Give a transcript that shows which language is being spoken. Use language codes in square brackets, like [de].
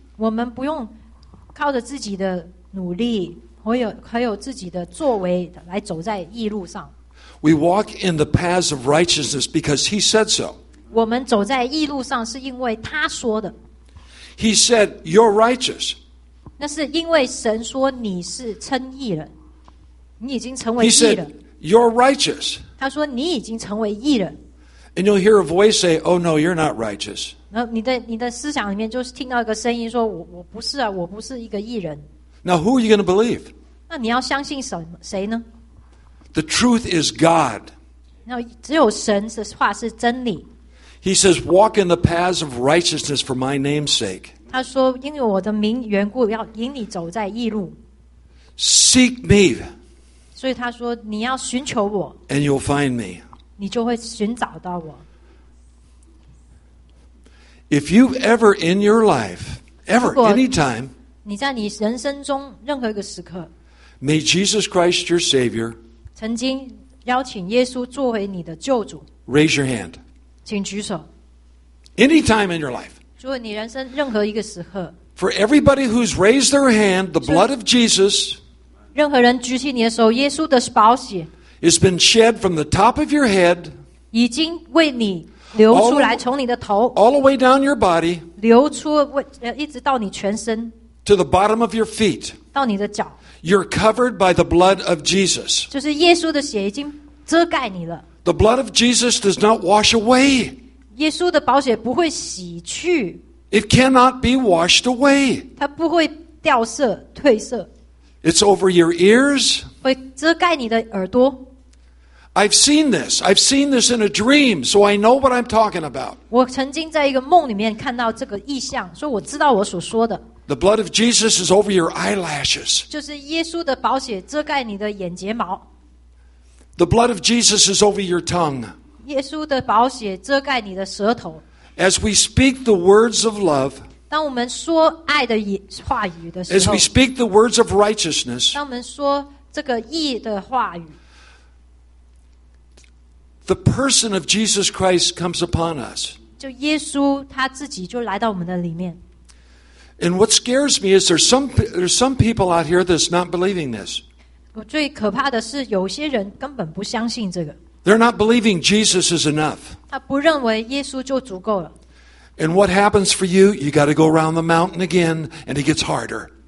[zh] 我们不用靠着自己的努力。还有自己的作为来走在义路上。 [en] We walk in the paths of righteousness because He said so. [zh] 我们走在义路上是因为他说的。 [en] He said, "You're righteous." [zh] 那是因为神说你是称义了，你已经成为义了。 [en] He said, "You're righteous." [zh] 他说你已经成为义了。 [en] And you'll hear a voice say, "Oh no, you're not righteous." [zh] 然后你的思想里面就是听到一个声音说，我不是啊，我不是一个义人。 [en] Now, who are you going to believe? [zh] 那你要相信谁呢？ [en] The truth is God. [zh] 那只有神的话是真理。 [en] He says, "Walk in the paths of righteousness for my name's sake." [zh] 他说，因为我的名缘故，要引你走在义路。 [en] Seek me. [zh] 所以他说，你要寻求我。 [en] And you'll find me. [zh] 你就会寻找到我。 [en] If you ever in your life, ever anytime. [zh] 你在你人生中任何一个时刻 [en] ，May Jesus Christ your Savior， [zh] 曾经邀请耶稣作为你的救主。 [en] Raise your hand， [zh] 请举手。 [en] Any time in your life， [zh] 就你人生任何一个时刻。 [en] For everybody who's raised their hand， the blood of Jesus， [zh] 任何人举起你的手，耶稣的宝血 [en] ，is been shed from the top of your head， [zh] 已经为你流出来，从你的头 [en] ，all the way down your body， [zh] 流出一直到你全身。 [en] To the bottom of your feet. [zh] 到你的脚。 [en] You're covered by the blood of Jesus. [zh] 就是耶稣的血已经遮盖你了。 [en] The blood of Jesus does not wash away. [zh] 耶稣的宝血不会洗去。 [en] It cannot be washed away. [zh] 它不会掉色、褪色。 [en] It's over your ears. [zh] 会遮盖你的耳朵。 [en] I've seen this. I've seen this in a dream, so I know what I'm talking about. [zh] 我曾经在一个梦里面看到这个意象，所以我知道我所说的。 [en] The blood of Jesus is over your eyelashes. [zh] 就是耶稣的宝血遮盖你的眼睫毛。 [en] The blood of Jesus is over your tongue. [zh] 耶稣的宝血遮盖你的舌头。 [en] As we speak the words of love, [zh] 当我们说爱的话语的时候 [en] ，As we speak the words of righteousness, [zh] 当我们说这个义的话语 [en] ，The person of Jesus Christ comes upon us. [zh] 就耶稣他自己就来到我们的里面。 [en] And what scares me is there's some people out here that's not believing this. [zh] 我最可怕的是有些人根本不相信这个。 [en] They're not believing Jesus is enough. [zh] 他不认为耶稣就足够了。 [en] And what happens for you? You got to go around the mountain again, and it gets harder.